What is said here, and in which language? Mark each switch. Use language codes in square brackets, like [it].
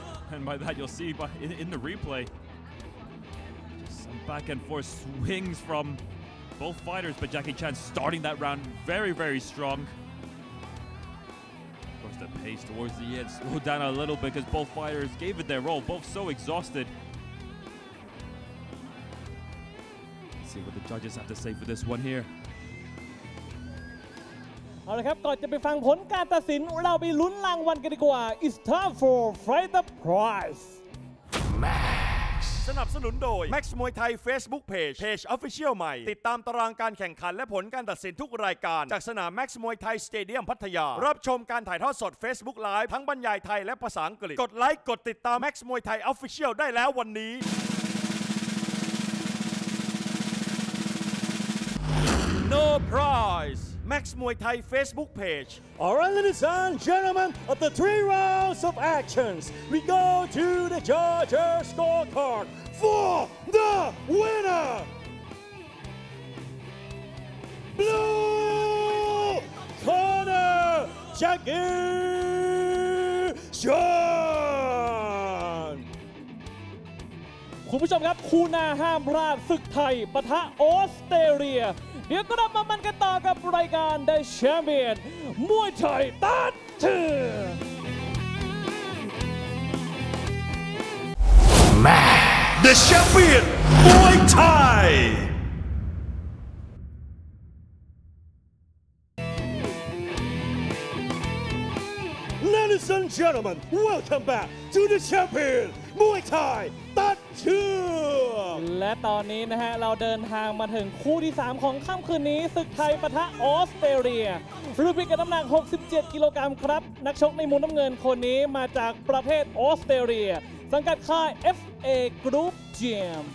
[en] And by that, you'll see in the replay, just some back and forth swings from both fighters, but Jackie Chan starting that round very, very strong. Of course, the pace towards the end slowed down a little bit because both fighters gave it their all, both so exhausted. Let's see what the judges have to say for this one here. [th] เอาละครับก่อนจะไปฟังผลการตัดสินเราไปลุ้นรางวัลกันดีกว่า [en] It's time for Fight the Prize Max [th] สนับสนุนโดย Max มวยไทย Facebook Page Page Official ใหม่ติดตามตารางการแข่งขันและผลการตัดสินทุกรายการจากสนาม Max มวยไทยสเตเดียมพัทยารับชมการถ่ายทอดสด Facebook Live ทั้งบรรยายไทยและภาษาอังกฤษกดไลค์กดติดตาม Max มวยไทย Official ได้แล้ววันนี้ [en] No PrizeMax Muay Thai Facebook page. All right, ladies and gentlemen, after three rounds of actions, we go to the judges' scorecard for the winner, Blue Corner, Jackie Chan. [th] คุณผู้ชมครับคู่หน้าห้ามพลาดศึกไทยปะทะออสเตรเลียเดี๋ยวก็นำมามันกันต่อกับรายการ The Champion มวยไทยตัดถึง The Champion มวยไทย [en] Ladies and gentlemen, welcome back to the champion, Muay Thai, ตัดเชื่อม [th] และตอนนี้นะฮะเราเดินทางมาถึงคู่ที่3ของค่ำคืนนี้ศึกไทยปะทะออสเตรเลียรูปพิกัดน้ำหนัก67กิโลกรัมครับนักชกในมุมน้ำเงินคนนี้มาจากประเทศออสเตรเลียสังกัดค่าย FA Group Gym